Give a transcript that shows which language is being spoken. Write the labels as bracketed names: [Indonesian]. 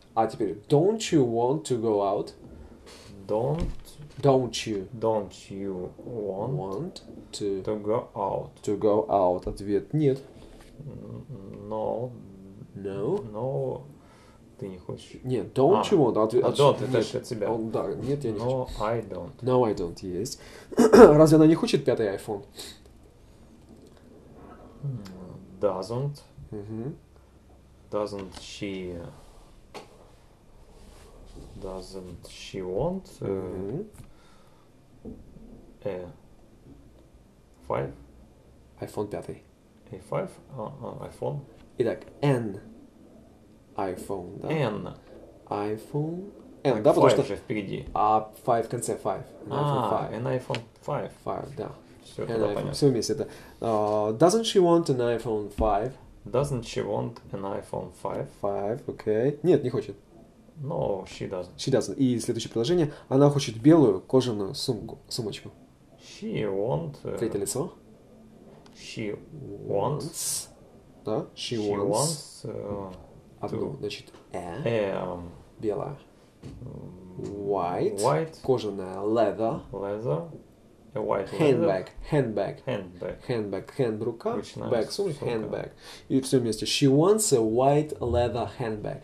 [Russian] А теперь [English] don't you want to go out? Don't you want to go out? To go out. [Russian] Ответ нет. [English] No. No. [Russian] No. Ты не хочешь. Нет, [English] don't you want? [Russian] Ответ. Don't это от себя. Он, да, нет, я не [English] no, [Russian] хочу. [English] No, I don't. No, I don't. [Russian] Есть. Разве она не хочет пятый iPhone? [English] Doesn't. Mm-hmm. Doesn't she? Doesn't she want a five? iPhone 5. A five? iPhone? [Russian] Итак, N. iPhone, да? [English] N. iPhone? [Russian] N, like да, потому что... Five же впереди. А, five в конце, five. [English] An iPhone 5. Five, [Russian] да. Все, это понятно. Все вместе, да. [English] Doesn't she want an iPhone 5? Doesn't she want an iPhone 5? Five, okay. [Russian] Нет, не хочет. [English] No, she doesn't. She doesn't. [Russian] И следующее предложение. Она хочет белую кожаную сумку, сумочку. [English] She want... [Russian] Третье лицо. [English] She wants... [Russian] Да? [English] She wants... She wants [Russian] одну, to... значит, белая. [English] White. White. [Russian] Кожаная. [English] Leather. Leather. A white handbag. Leather. Handbag. Handbag. Handbag. Hand рука. Nice. Bag сумочка. Handbag. [Russian] И все вместе. [English] She wants a white leather handbag.